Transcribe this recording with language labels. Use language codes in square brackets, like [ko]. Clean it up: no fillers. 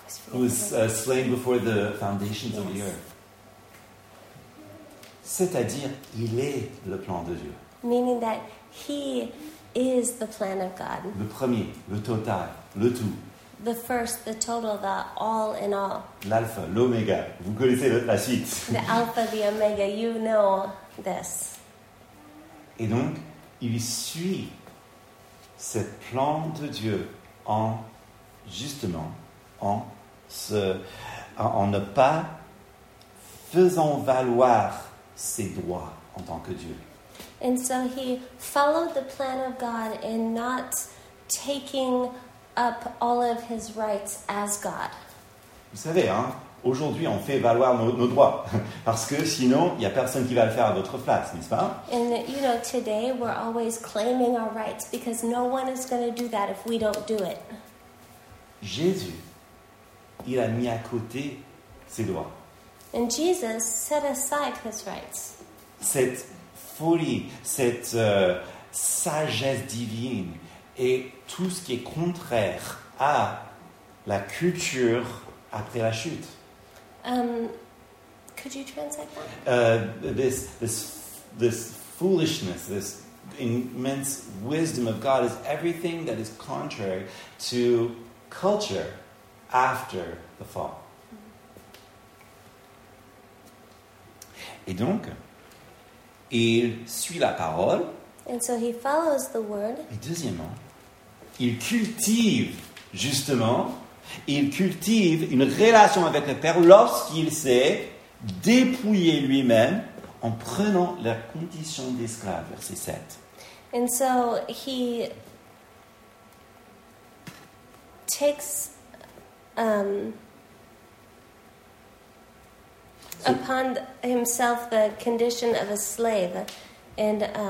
[en] Who was slain before the foundations of the earth. [fr] C'est-à-dire, il est le plan de Dieu. [en] Meaning that he is the plan of God. [fr] Le premier, le total, le tout. [en] The first, the total, the all in all. [fr] L'alpha, l'oméga, vous connaissez la suite. [en] The alpha, the omega, you know this. [fr] Et donc, il suit ce plan de Dieu en, justement, en en ne pas faisant valoir ses droits en tant que Dieu. [en] And so he followed the plan of God in not taking up all of his rights as God. [fr] Vous savez, hein, aujourd'hui on fait valoir nos droits parce que sinon il y a personne qui va le faire à votre place, n'est-ce pas? [en] And you know, today we're always claiming our rights because no one is going to do that if we don't do it. [fr] Jésus, il a mis à côté ses droits. [en] And Jesus set aside his rights. [fr] Cette folie, cette sagesse divine et tout ce qui est contraire à la culture après la chute. [en] Could you translate that? This foolishness, this immense wisdom of God is everything that is contrary to culture after the fall. [fr] Et donc, il suit la parole. [en] And so he follows the word. [fr] Et deuxièmement, il cultive, justement, il cultive une relation avec le Père lorsqu'il s'est dépouillé lui-même en prenant la condition d'esclave, verset 7. [en] And so he takes upon himself the condition of a slave and